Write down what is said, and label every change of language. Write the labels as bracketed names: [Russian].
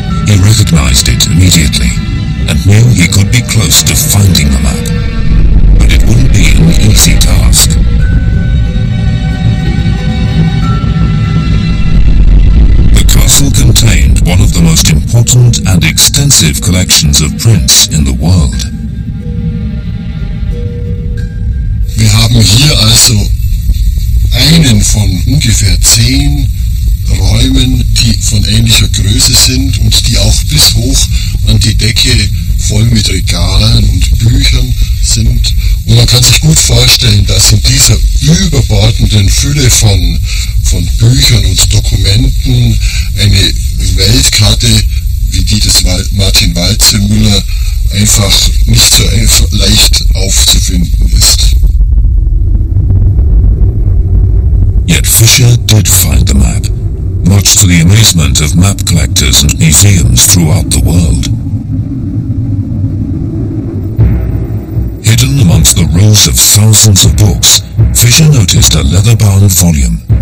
[English] He recognized it immediately, and knew he could be close to finding the map. But it wouldn't be an easy task. The castle contained one of the most important and extensive collections of prints in the world. [German] Wir haben hier also einen von ungefähr 10 Räumen, die von ähnlicher Größe sind und die auch bis hoch an die Decke voll mit Regalen und Büchern sind. Und man kann sich gut vorstellen, dass in dieser überbordenden Fülle von Büchern und Dokumenten eine Weltkarte wie die des Martin Waldseemuller einfach nicht so leicht aufzufinden ist. [English] Yet Fischer did find the map, much to the amazement of map collectors and museums throughout the world. Hidden amongst the rows of thousands of books, Fischer noticed a leather-bound volume.